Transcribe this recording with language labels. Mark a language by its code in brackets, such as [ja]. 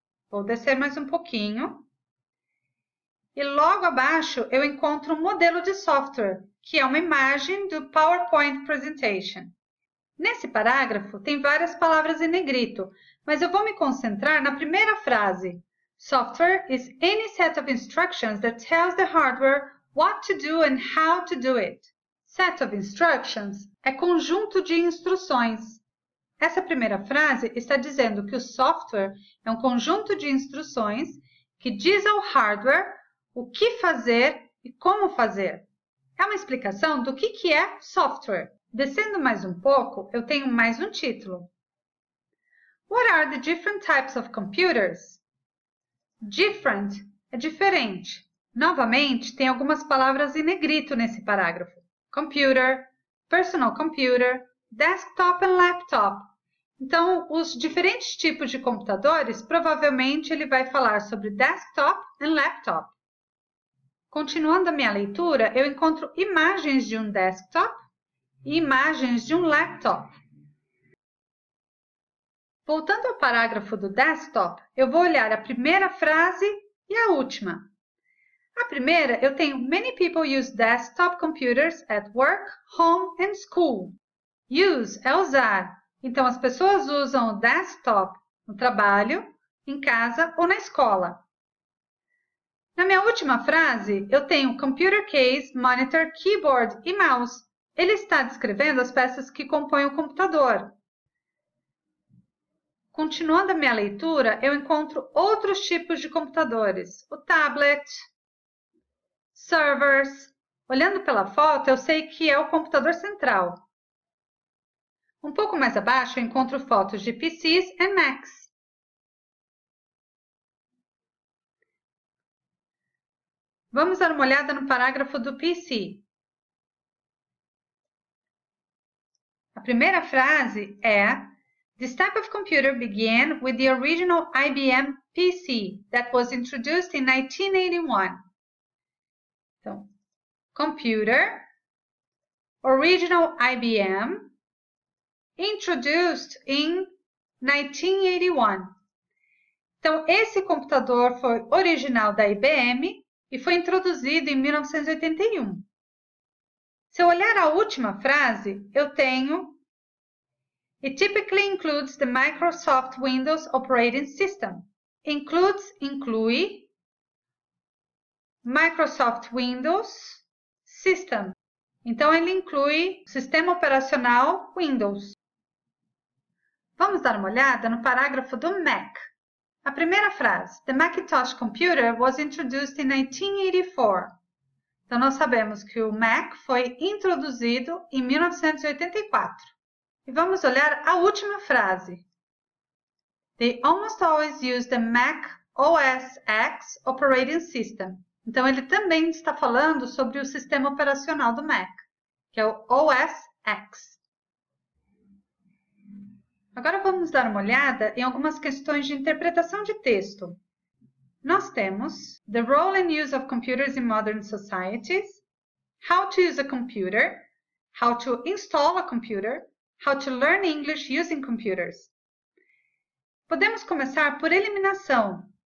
[pt] Vou descer mais um pouquinho. E logo abaixo eu encontro um modelo de software, que é uma imagem do PowerPoint Presentation. Nesse parágrafo tem várias palavras em negrito, mas eu vou me concentrar na primeira frase. [en] Software is any set of instructions that tells the hardware what to do and how to do it. [pt] Set of instructions é conjunto de instruções. Essa primeira frase está dizendo que o software é um conjunto de instruções que diz ao hardware o que fazer e como fazer. É uma explicação do que é software. Descendo mais um pouco, eu tenho mais um título. [en] What are the different types of computers? Different [pt] é diferente. Novamente, tem algumas palavras em negrito nesse parágrafo. [en] Computer, personal computer, desktop and laptop. [pt] Então, os diferentes tipos de computadores, provavelmente ele vai falar sobre [en] desktop and laptop. [pt] Continuando a minha leitura, eu encontro imagens de um desktop e imagens de um laptop. Voltando ao parágrafo do desktop, eu vou olhar a primeira frase e a última. A primeira, eu tenho [en] Many people use desktop computers at work, home and school. [pt] Use é usar. Então, as pessoas usam o desktop no trabalho, em casa ou na escola. Na minha última frase, eu tenho computer case, monitor, keyboard e mouse. Ele está descrevendo as peças que compõem o computador. Continuando a minha leitura, eu encontro outros tipos de computadores. O tablet, servers. Olhando pela foto, eu sei que é o computador central. Um pouco mais abaixo, eu encontro fotos de PCs e Macs. Vamos dar uma olhada no parágrafo do PC. A primeira frase é: [en] This type of computer began with the original IBM PC that was introduced in 1981. Então, computer, original IBM, introduced in 1981. [pt] Então, esse computador foi original da IBM e foi introduzido em 1981. Se eu olhar a última frase, eu tenho [en] It typically includes the Microsoft Windows operating system. Includes, inclui, Microsoft Windows system. [pt] Então, ele inclui o sistema operacional Windows. Vamos dar uma olhada no parágrafo do Mac. A primeira frase, [en] The Macintosh computer was introduced in 1984. [pt] Então, nós sabemos que o Mac foi introduzido em 1984. E vamos olhar a última frase. [en] They almost always use the Mac OS X operating system. [pt] Então, ele também está falando sobre o sistema operacional do Mac, que é o OS X. Agora, vamos dar uma olhada em algumas questões de interpretação de texto. [en] Nós temos The role and use of computers in modern societies, How to use a computer, How to install a computer, How to learn English using computers. [pt] Podemos começar por eliminação.